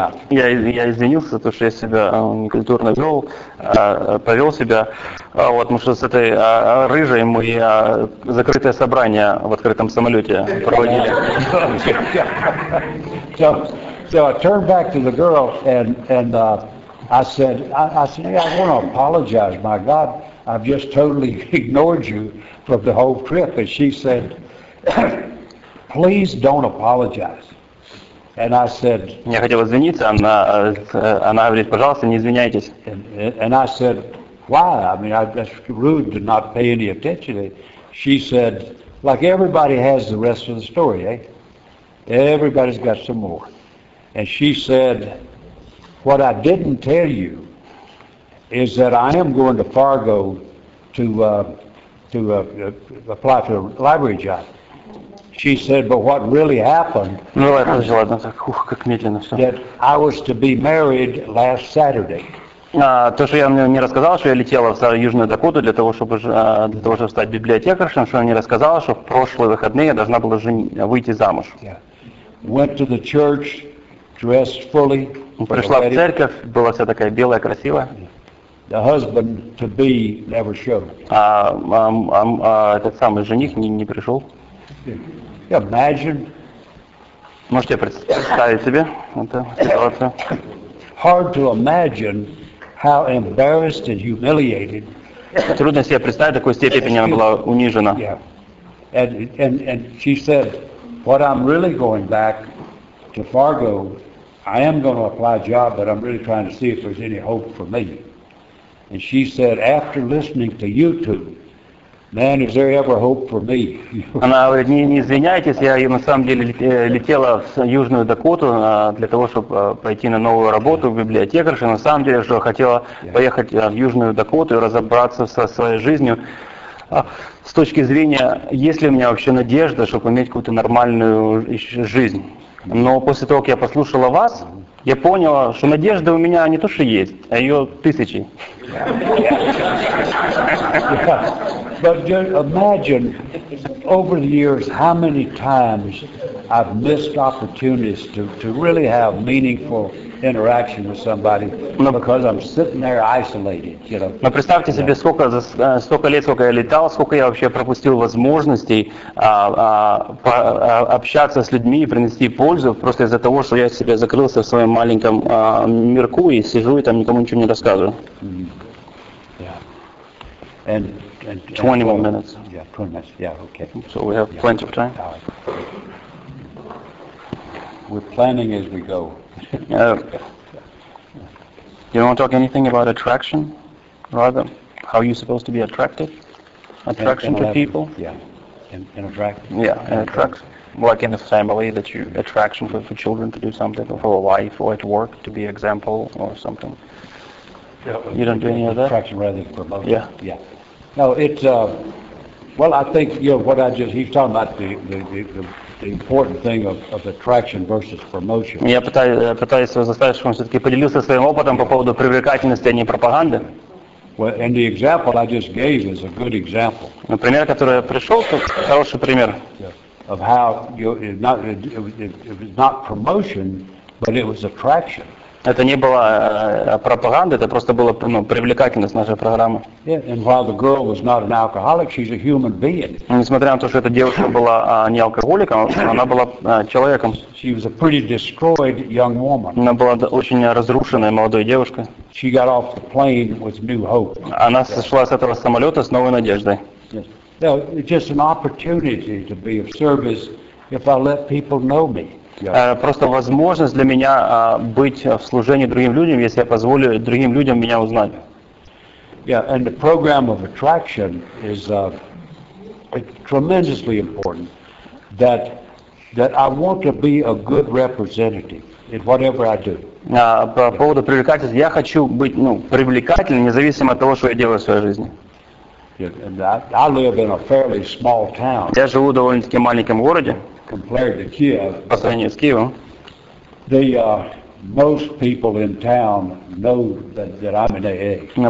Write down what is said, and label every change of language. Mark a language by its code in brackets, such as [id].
[ru] Я извинился за то, что я себя некультурно повел себя. Вот, потому что с этой рыжей мы закрытое собрание в открытом самолете проводили. [en] So I turned back to the girl and I said, "Hey, I want to apologize, my God. I've just totally ignored you for the whole trip." And she said, "Please don't apologize." And I said, [ru] "Я хотел извиниться, она говорит, пожалуйста, не извиняйтесь." [en] And I said, "Why? I mean, that's rude to not pay any attention." She said, "Like everybody has the rest of the story, eh? Everybody's got some more." And she said, "What I didn't tell you is that I am going to Fargo to apply for a library job." She said, "But what really happened?" [ru] Ну ладно, ладно, так, ух, как медленно все. [en] That I was to be married last Saturday. [ru] То, что я не рассказал, что я летела в Южную Дакоту для того, чтобы стать библиотекаршем, что я не рассказал, что в прошлые выходные я должна была выйти замуж. [en] Yeah. Went to the church, dressed fully. [ru] Пришла в церковь, была вся такая белая, красивая. [en] The husband to be never showed. [ru] Этот самый жених не пришел. [en] Imagine. [ru] Можете представить себе эту ситуацию? [en] Hard to imagine how embarrassed and humiliated. [ru] Трудно себе представить, такой степени она была унижена. [en] And she said, "What I'm really going back to Fargo, I am going to apply a job, but I'm really trying to see if there's any hope for me." And she said, after listening to you two, man, is there ever hope for me? [ru] Она говорит, не извиняйтесь, я на самом деле летела в Южную Дакоту для того, чтобы пойти на новую работу в библиотекарше. На самом деле, что хотела поехать в Южную Дакоту и разобраться со своей жизнью. С точки зрения, есть ли у меня вообще надежда, чтобы иметь какую-то нормальную жизнь? Но после того, как я послушала вас, я поняла, что надежда у меня не то, что есть, а ее тысячи. [en] But imagine over the years how many times I've missed opportunities to really have meaningful interaction with somebody because I'm sitting there isolated, you know. [ru] Но представьте себе, сколько за столько лет, сколько я летал, сколько я вообще пропустил возможностей общаться с людьми и принести пользу просто из-за того, что я себе закрылся в своем маленьком мирку и сижу и там никому ничего не рассказываю. [en] And 20 more minutes. Yeah, 20 minutes. Yeah, okay. So we have plenty of time. Right. We're planning as we go. You don't want to talk anything about attraction? Rather, how you're supposed to be attracted? Attraction to people? Yeah. Like in the family, that you attraction for children to do something, or for a wife, or at work, to be example, or something. Yeah, you don't do any of that? Attraction rather than promotion. Yeah. Yeah. No, it's I think what I just he's talking about the important thing of attraction versus promotion. [ru] Я пытаюсь заставить, чтобы он все-таки поделился своим опытом по поводу привлекательности, а не пропаганды. [en] Well, and the example I just gave is a good example. [ru] Пример, который я пришел, это хороший пример. [en] Of how it was not promotion, but it was attraction. [ru] Это не была пропаганда, это просто была привлекательность нашей программы. Несмотря на то, что эта девушка была не алкоголиком, она была человеком. [en] She was a pretty destroyed young woman. [ru] Она была очень разрушенной молодой девушкой. [en] She got off the plane with new hope. [ru] Она сошла с этого самолета с новой надеждой. [en] Yes. Well, it's just an opportunity to be of service if I let people know me. [ru] Просто возможность для меня быть в служении другим людям, если я позволю другим людям меня узнать. [en] Yeah, and the program of attraction is tremendously important that I want to be a good representative in whatever I do. [ru] По поводу привлекательности, я хочу быть привлекательным, независимо от того, что я делаю в своей жизни. [en] Yeah, I live in a fairly small town. [ru] Я живу в довольно-таки маленьком городе. [en] Compared to Kiev, [ru] по сравнению с Киевом, [en] most people in town know that I'm in AA.